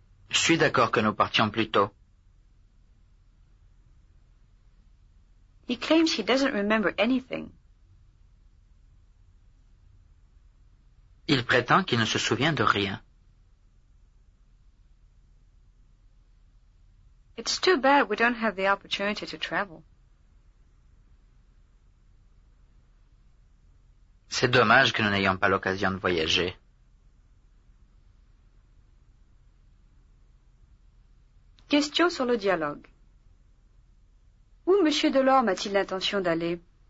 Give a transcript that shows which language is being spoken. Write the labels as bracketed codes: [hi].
[fr] Je suis d'accord que nous partions plus tôt. [en] He claims he doesn't remember anything. [fr] Il prétend qu'il ne se souvient de rien. [en] It's too bad we don't have the opportunity to travel. [fr] C'est dommage que nous n'ayons pas l'occasion de voyager. Question sur le dialogue. Où M. Delorme a-t-il l'intention d'aller?